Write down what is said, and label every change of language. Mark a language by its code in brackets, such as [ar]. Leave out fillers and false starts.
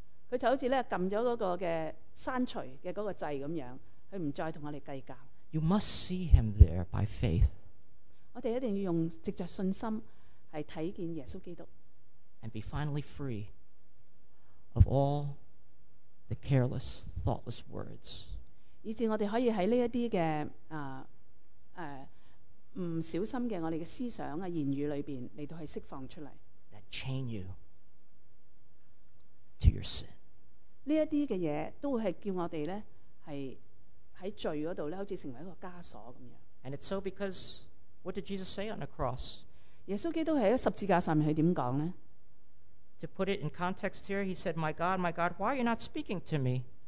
[yue] 佢就好似咧揿咗嗰个嘅删除嘅嗰个掣咁样，佢唔再同我哋计较。 [en] You must see him there by faith. [yue] 我哋一定要用藉着信心系睇见耶稣基督。 [en] And be finally free of all the careless, thoughtless words. [yue] 以致我哋可以喺呢一啲嘅唔小心嘅我哋嘅思想啊言语里边嚟到去释放出嚟。 [en] That chain you to your sin。 [yue] 呢一啲嘅嘢都会系叫我哋咧系喺罪嗰度咧，好似成为一个枷锁咁样。 [en] And it's so because what did Jesus say on the cross？ [yue] 耶稣基督喺十字架上面佢点讲咧 [en] ？To put it in context here, he said, "My God, my God, why are you not speaking to me？"